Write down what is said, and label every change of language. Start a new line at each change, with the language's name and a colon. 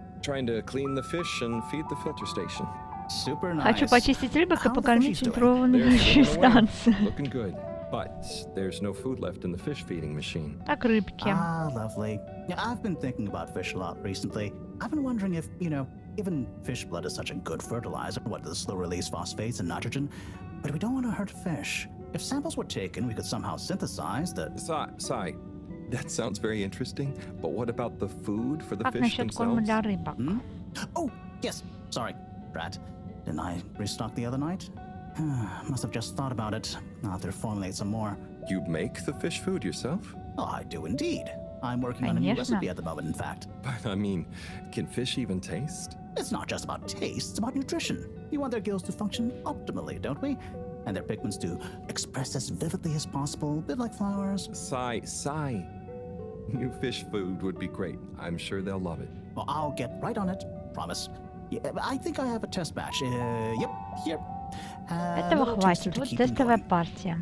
English: Trying to clean the fish and feed the filter station. Super nice.
Russian: Хочу почистить рыбок и покормить центрованную станцию.
English: Looking good, but there's no food left in the fish feeding machine.
Russian: Так, рыбки.
English: Ah, lovely. I've been thinking about fish a lot recently. I've been wondering if, you know, even fish blood is such a good fertilizer, what does slow release phosphates and nitrogen? But we don't want to hurt fish. If samples were taken, we could somehow synthesize the... Sai, that sounds very interesting, but what about the food for the
Russian: как
English: fish themselves? Hmm? Oh, yes, sorry, Brad. Didn't I restock the other night? Must have just thought about it. I'll have to formulate some more. You make the fish food yourself? Oh, I do indeed. I'm working on a new recipe at the moment, in fact. But, I mean, can fish even taste? It's not just about taste, it's about nutrition. You want their gills to function optimally, don't we? And their pigments to express as vividly as possible, a bit like flowers. Sai. New fish food would be great. I'm sure they'll love it. Well, I'll get right on it, promise. Yeah, I think I have a test batch. Yep, here.
Russian: Этого хватит, вот тестовая партия.